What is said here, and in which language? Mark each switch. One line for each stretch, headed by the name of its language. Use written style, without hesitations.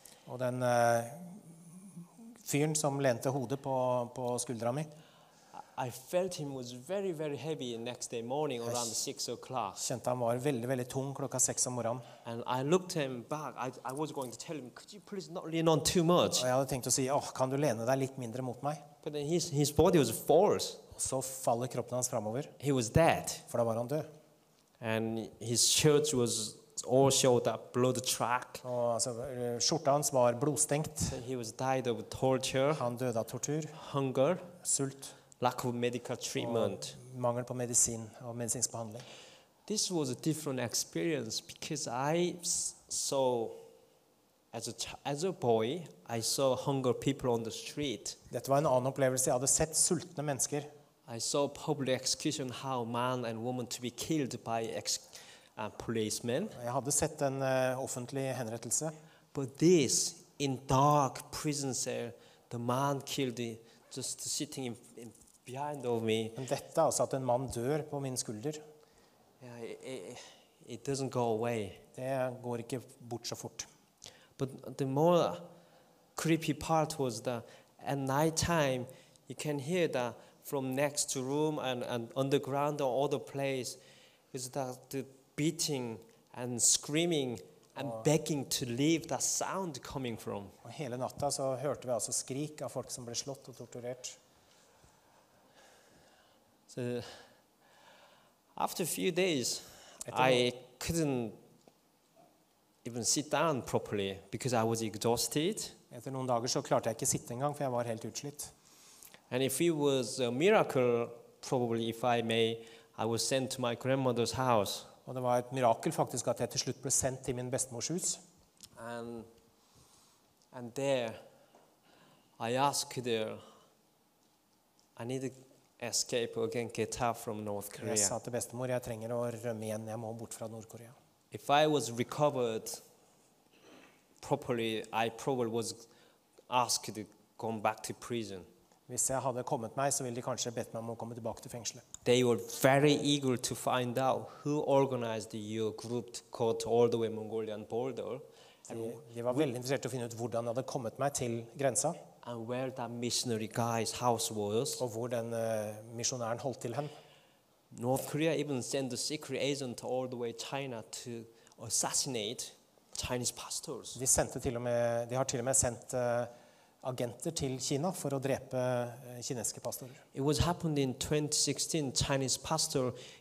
Norwegian: Og den fyren som lente hodet på skuldra mi.
English: I felt him was very very heavy next day morning around 6 o'clock.
Norwegian: Kjente han var veldig veldig tung klokka 6 om morgenen.
English: And I looked him back. I was going to tell him, could you please not lean on too much?
Norwegian: Og jeg hadde tenkt å si, kan du lene deg litt mindre mot meg?
English: But then his body was forced.
Norwegian: Så faller kroppen hans framover.
English: He was dead.
Norwegian: For da var han død.
English: And his shirt was all showed that blood track.
Norwegian: Og altså, skjorta hans var blodstengt.
English: So he was died of torture.
Norwegian: Han døde av tortur.
English: Hunger.
Norwegian: Sult.
English: Lack of medical treatment.
Norwegian: Mangel på medisin og medisinsk behandling.
English: This was a different experience because I saw, as a boy, I saw hungry people on the street.
Norwegian: Dette var en annen opplevelse. Jeg hadde sett sultne mennesker.
English: I saw public execution, how man and woman to be killed by policemen.
Norwegian: Jeg hadde sett en offentlig henrettelse.
English: But this, in dark prison cell, the man killed just sitting in behind of me.
Norwegian: Men dette altså at en mann dør på min skulder.
English: Yeah, it doesn't go away.
Norwegian: Det går ikke bort så fort.
English: But the more creepy part was that at night time you can hear that from next to room and underground or other place is that the beating and screaming and begging to leave that sound coming from.
Norwegian: Og hele natta så hørte vi altså skrik av folk som ble slått og torturert.
English: So after a few days, I couldn't even sit down properly because I was exhausted.
Norwegian: Etter noen dager så klarte jeg ikke sitte engang for jeg var helt utslitt.
English: And if it was a miracle, probably if I may, I was sent to my grandmother's house.
Norwegian: Og det var et mirakel faktisk at jeg til slutt ble sendt til min bestemors hus.
English: And there, I asked her, I need to escape again, get out from North Korea.
Norwegian: Jeg sa til bestemor, jeg trenger å rømme igjen, jeg må bort fra Nord-Korea.
English: If I was recovered properly, I probably was asked to come back to prison.
Norwegian: Hvis jeg hadde kommet meg, så ville de kanskje bedt meg om å komme tilbake til fengselet.
English: They were very eager to find out who organized your group caught all the way Mongolian border.
Norwegian: De var veldig interessert til å finne ut hvordan jeg hadde kommet meg til grensa.
English: And where that missionary guy's house was.
Norwegian: Og hvor den misjonæren holdt til hen.
English: North Korea even sent a secret agent all the way to China to assassinate Chinese pastors.
Norwegian: De har til og med sendt agenter til Kina for å drepe kinesiske pastorer.
English: It was happened in 2016. Chinese pastor,